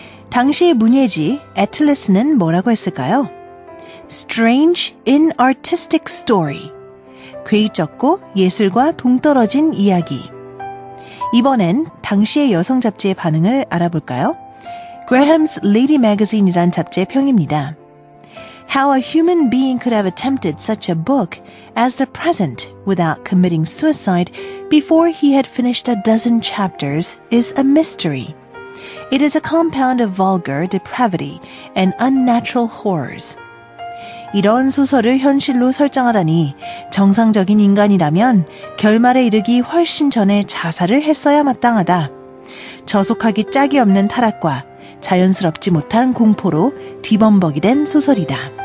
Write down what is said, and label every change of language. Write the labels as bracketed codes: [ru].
[ko] 당시 문예지 애틀레스는 뭐라고 했을까요? [en] Strange inartistic story. [ko] 괴이쩍고 예술과 동떨어진 이야기. 이번엔 당시의 여성 잡지의 반응을 알아볼까요? Graham's Lady Magazine이란 잡지의 평입니다. [en] How a human being could have attempted such a book as the present without committing suicide before he had finished a dozen chapters is a mystery. It is a compound of vulgar depravity and unnatural horrors. [ko] 이런 소설을 현실로 설정하다니 정상적인 인간이라면 결말에 이르기 훨씬 전에 자살을 했어야 마땅하다. 저속하기 짝이 없는 타락과 자연스럽지 못한 공포로 뒤범벅이 된 소설이다.